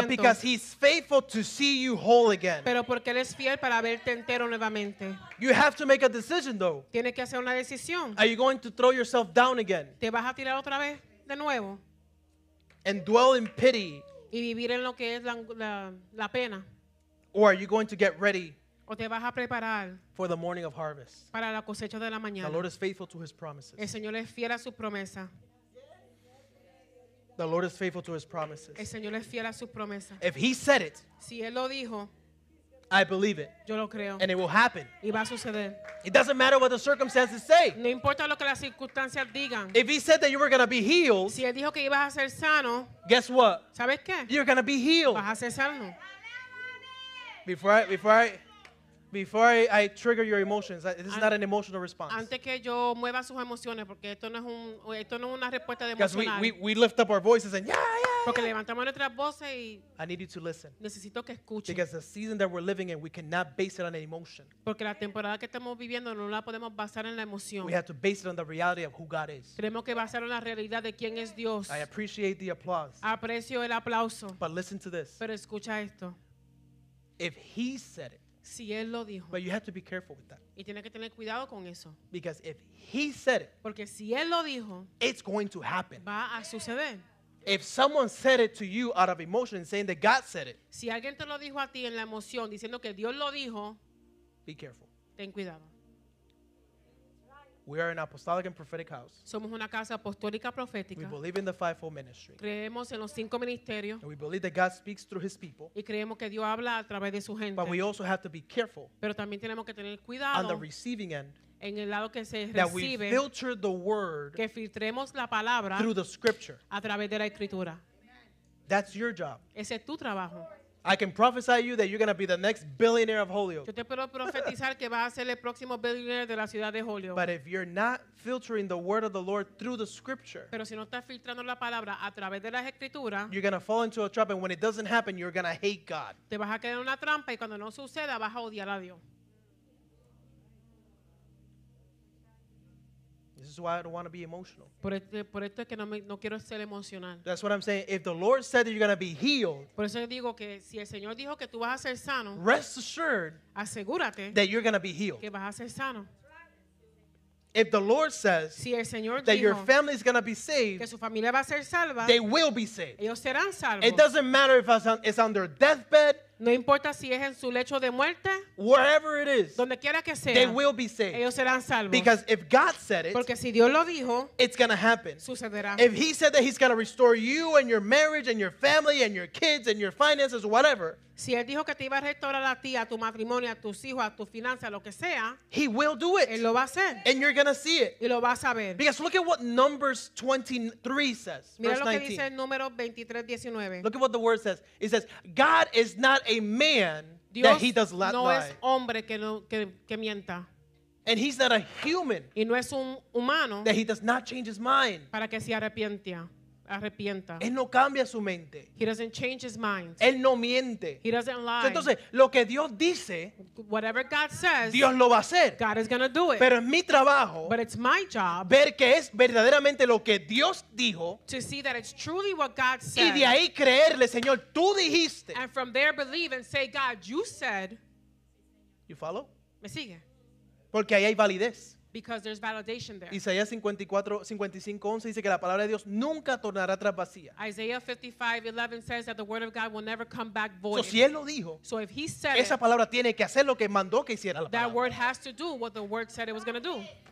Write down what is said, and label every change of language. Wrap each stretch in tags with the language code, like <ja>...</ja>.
<en>but because he's faithful to see you whole again.</en> <es>Pero porque él es fiel para verte entero nuevamente.</es> <en>You have to make a decision, though.</en> <es>Tiene que hacer una decisión.</es> <en>Are you going to throw yourself down again?</en> <es>¿Te vas a tirar otra vez de nuevo?</es> <en>And dwell in pity.</en> <es>Y vivir en lo que es la pena.</es> <en>Or are you going to get ready</en> <es>o te vas a preparar</es> <en>for the morning of harvest.</en> <es>Para la cosecha de la mañana.</es> <en>The Lord is faithful to his promises.</en> <es>El Señor es fiel a sus promesas.</es> <en>The Lord is faithful to his promises.</en> <es>El Señor es fiel a sus promesas.</es> <en>If he said it,</en> <es>si él lo dijo,</es> <en>I believe it.</en> <es>Yo lo creo.</es> <en>And it will happen.</en> <es>Y va a suceder.</es> <en>It doesn't matter what the circumstances say.</en> <es>No importa lo que las circunstancias digan.</es> <en>If he said that you were going to be healed,</en> <es>si él dijo que ibas a ser sano,</es> <en>guess what?</en> <es>¿Sabes qué?</es> <en>You're going to be healed.</en> <es>Vas a ser sano.</es> <en>Before I trigger your emotions, this is not an emotional response.</en> <es>Antes que yo mueva sus emociones, porque esto no es una respuesta de emocional.</es> <en>Because we lift up our voices and yeah, yeah.</en> <es>Porque levantamos nuestras voces y.</es> <en>I need you to listen.</en> <es>Necesito que escuchen.</es> <en>Because the season that we're living in, we cannot base it on an emotion.</en> <es>Porque la temporada que estamos viviendo no la podemos basar en la emoción.</es> <en>We have to base it on the reality of who God is.</en> <es>Tenemos que basarlo en la realidad de quién es Dios.</es> <en>I appreciate the applause.</en> <es>Aprecio el aplauso.</es> <en>But listen to this.</en> <es>Pero escucha esto.</es> <en>If he said it.</en> <es>Si él lo dijo.</es> <en>But you have to be careful with that.</en> <es>Y tiene que tener cuidado con eso.</es> <en>Because if he said it,</en> <es>porque si él lo dijo,</es> <en>it's going to happen.</en> <es>Va a suceder.</es> <en>If someone said it to you out of emotion, saying that God said it,</en> <es>si alguien te lo dijo a ti en la emoción, diciendo que Dios lo dijo,</es> <en>be careful.</en> <es>Ten cuidado.</es> <en>We are an apostolic and prophetic house.</en> <es>Somos una casa apostólica profética.</es> <en>We believe in the fivefold ministry.</en> <es>Creemos en los cinco ministerios.</es> <en>And we believe that God speaks through his people.</en> <es>Y creemos que Dios habla a través de su gente.</es> <en>But we also have to be careful.</en> <es>Pero también tenemos que tener cuidado.</es> <en>On the receiving end.</en> <es>En el lado que se</es> <en>that</en> <es>recibe.</es> <en>That we filter the word.</en> <es>Que filtremos la palabra.</es> <en>Through the scripture.</en> <es>A través de la escritura.</es> <en>That's your job.</en> <es>Ese es tu trabajo.</es> <en>I can prophesy you that you're going to be the next billionaire of Holyoke.</en> <es>Yo te puedo profetizar que vas a ser el próximo billionaire de la ciudad de Holyoke.</es> <en>But if you're not filtering the word of the Lord through the scripture,</en> <es>pero si no estás filtrando la palabra a través de las escrituras,</es> <en>you're going to fall into a trap, and when it doesn't happen, you're going to hate God.</en> <es>Te vas a quedar en una trampa y cuando no suceda vas a odiar a Dios.</es> <en>This is why I don't want to be emotional.</en> <es>Por esto es que no quiero ser emocional.</es> <en>That's what I'm saying. If the Lord said that you're going to be healed,</en> <es>por eso digo que si el Señor dijo que tú vas a ser sano,</es> <en>rest assured,</en> <es>asegúrate</es> <en>that you're going to be healed.</en> <es>Que vas a ser sano.</es> <en>If the Lord says</en> <es>si el Señor</es> <en>that</en> <es>dijo</es> <en>your family is going to be saved,</en> <es>que su familia va a ser salva,</es> <en>they will be saved.</en> <es>Ellos serán salvos.</es> <en>It doesn't matter if it's on their deathbed.</en> <es>No importa si es en su lecho de muerte.</es> <en>Wherever it is.</en> <es>Donde quiera que sea.</es> <en>They will be saved.</en> <es>Ellos serán salvos.</es> <en>Because if God said it.</en> <es>Porque si Dios lo dijo.</es> <en>It's going to happen.</en> <es>Sucederá.</es> <en>If he said that he's going to restore you and your marriage and your family and your kids and your finances, whatever.</en> <es>Si él dijo que te iba a restaurar a ti, a tu matrimonio, a tus hijos, a tu finanzas, lo que sea.</es> <en>He will do it.</en> <es>Él lo va a hacer.</es> <en>And you're going to see it.</en> <es>Y lo vas a ver.</es> <en>Because look at what Numbers 23 says.</en> <es>Mira</es> <en>verse 19.</en> <es>Lo que dice el número 23, 19.</es> <en>Look at what the word says. It says, God is not a man</en> <es>Dios</es> <en>that he does not</en> <es>no</es> <en>lie.</en> <es>Es hombre que no, que mienta.</es> <en>And he's not a human</en> <es>y no es un humano</es> <en>that he does not change his mind.</en> <es>Para que se arrepienta. Él no cambia su mente.</es> <en>He doesn't change his mind.</en> <es>Él no miente.</es> <en>He doesn't lie.</en> <es>Entonces, lo que Dios dice,</es> <en>whatever God says,</en> <es>Dios lo va a hacer.</es> <en>God is going to do it.</en> <es>Pero es mi trabajo,</es> <en>but it's my job,</en> <es>ver que es verdaderamente lo que Dios dijo,</es> <en>to see that it's truly what God said.</en> <es>Y de ahí creerle, Señor, tú dijiste.</es> <en>And from there believe and say, God, you said. You follow?</en> <es>Me sigue. Porque ahí hay validez.</es> <en>Because there's validation there.</en> <es>Isaías 55:11 dice que la palabra de Dios nunca tornará tras vacía.</es> <en>Isaiah 55:11 says that the word of God will never come back void. So</en> <es>si él lo dijo,</es> <en>so if he said</en> <es>esa palabra tiene que hacer lo que mandó que hiciera la palabra.</es> <en>That word has to do what the word said it was going to do.</en>